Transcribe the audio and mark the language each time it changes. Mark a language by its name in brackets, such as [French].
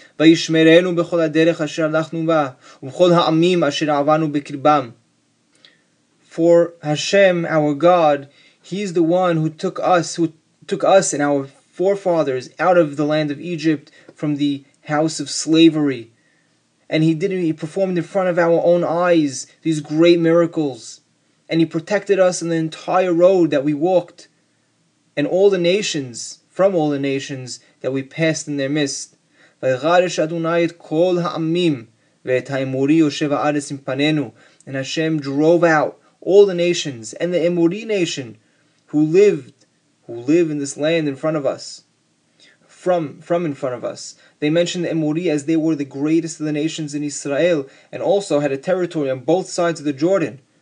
[Hebrew] וישמרנו בכל הדרך אשר הלכנו בה, ובכל העמים אשר עברנו בקרבם. [English] For Hashem, our God, He is the one who took us and our forefathers out of the land of Egypt from the house of slavery. And He performed in front of our own eyes these great miracles. And He protected us in the entire road that we walked, and from all the nations that we passed in their midst. [Hebrew] וירש אדוני את כל העמים ואת האמורי יושב הארץ מפנינו. [English] And Hashem drove out all the nations and the Emori nation who live in this land in front of us. From in front of us. They mentioned the Emori as they were the greatest of the nations in Israel and also had a territory on both sides of the Jordan.